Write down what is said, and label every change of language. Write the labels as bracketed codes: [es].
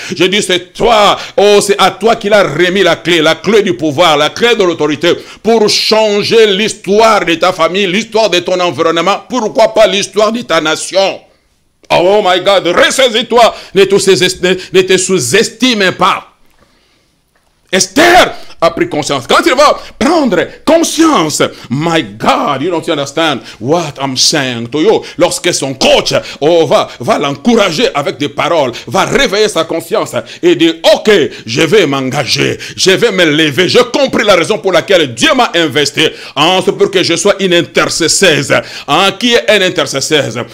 [fr] Je dis c'est toi, oh c'est à toi qu'il a remis la clé du pouvoir, la clé de autorité pour changer l'histoire de ta famille, l'histoire de ton environnement, pourquoi pas l'histoire de ta nation. [en] Oh my God, [fr] ressaisis-toi, ne te sous-estime pas. Esther a pris conscience. Quand il va prendre conscience, [en] my God, you don't understand what I'm saying to you. [fr] Lorsque son coach va l'encourager avec des paroles, va réveiller sa conscience et dire, ok, je vais m'engager, je vais me lever, j'ai compris la raison pour laquelle Dieu m'a investi. Hein, c'est pour que je sois une intercesseuse. Hein, qui est une intercesseuse?